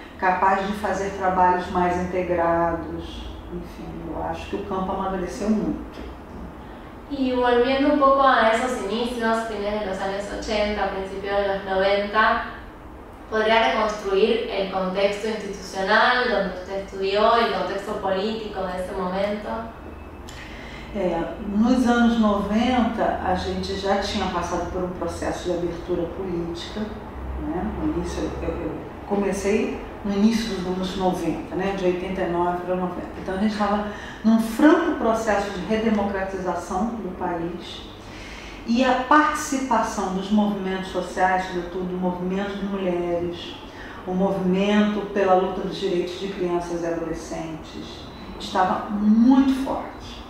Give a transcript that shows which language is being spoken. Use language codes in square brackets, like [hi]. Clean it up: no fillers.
[pt] Capaz de fazer trabalhos mais integrados, enfim, eu acho que o campo amadureceu muito. [es] Y volviendo un poco a esos inicios, fines de los años 80, principios de los 90, ¿podría reconstruir el contexto institucional donde usted estudió, el contexto político de ese momento? [pt] Nos anos 90, a gente já tinha passado por um processo de abertura política, né? No início, eu comecei no início dos anos 90, né? De 89 para 90. Então, a gente estava num franco processo de redemocratização do país e a participação dos movimentos sociais, sobretudo o movimento de mulheres, o movimento pela luta dos direitos de crianças e adolescentes, estava muito forte.